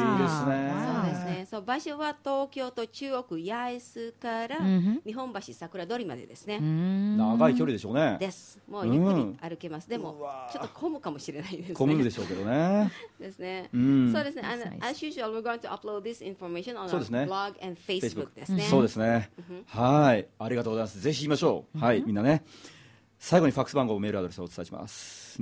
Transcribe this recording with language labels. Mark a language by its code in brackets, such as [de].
[ja] その期間は長いので、もうゆっくり楽しめる。すごいですね。そうですね。場所は東京と中央区八重洲から日本橋桜通りまでですね。長い距離でしょうね。です。もうゆっくり歩けます。でもちょっと混むかもしれないですね。混むでしょうけどね。ですね。そうですね。 [en] As usual, we're going to upload this information on our blog and Facebook ですね。 [ja] そうですね。はい、ありがとうございます。ぜひ行きましょう。はい、みんなね。最後にファックス番号、メールアドレスをお伝えします。